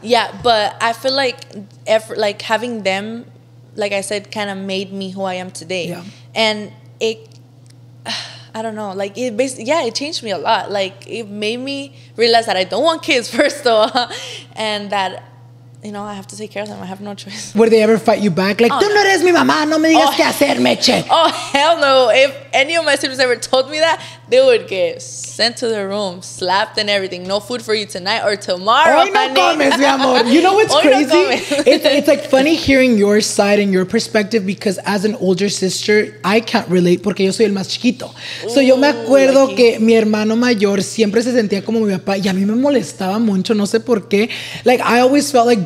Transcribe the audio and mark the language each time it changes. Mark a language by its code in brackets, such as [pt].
[en] Yeah, but I feel like having them, like I said, kind of made me who I am today. Yeah. And I don't know, like, it basically, yeah, it changed me a lot. Like, it made me realize that I don't want kids, first of all, and that, you know, I have to take care of them. I have no choice. Would they ever fight you back? [es] Like, tú no eres mi mamá, no me digas qué hacer, Meche. [en] Oh, hell no. If any of my siblings ever told me that, they would get sent to the room, slapped and everything. No food for you tonight or tomorrow. [es] Hoy no comes, mi amor. [en] You know what's crazy? It's like funny hearing your side and your perspective, because as an older sister, I can't relate [es] porque yo soy el más chiquito. So yo me acuerdo que mi hermano mayor siempre se sentía como mi papá y a mí me molestaba mucho, no sé por qué. [en] Like, I always felt like